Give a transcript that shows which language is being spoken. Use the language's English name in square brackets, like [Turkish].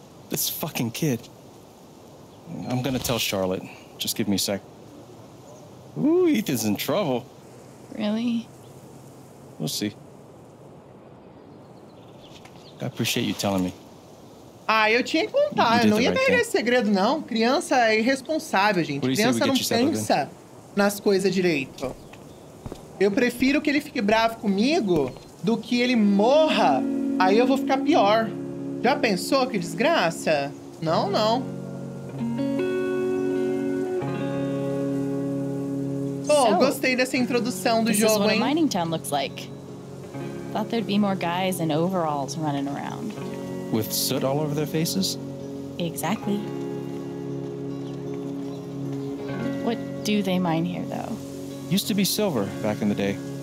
[English] This fucking kid. I'm gonna tell Charlotte. Just give me a sec. Ooh, Ethan's in trouble. Really? We'll see. I appreciate you telling me. [Portuguese] Ah, eu tinha que contar. Eu não ia pegar esse segredo, não. Criança é irresponsável, gente. Criança não pensa nas coisas direito. Eu prefiro que ele fique bravo comigo do que ele morra. Aí eu vou ficar pior. Já pensou? Que desgraça? Não, não. Pô, oh, gostei dessa introdução do jogo, hein? [English] This is what a mining town looks like. Thought there'd be more guys in overalls running around. With soot all over their faces? Exactly. What do they mine here, though? Used to be silver back in the day.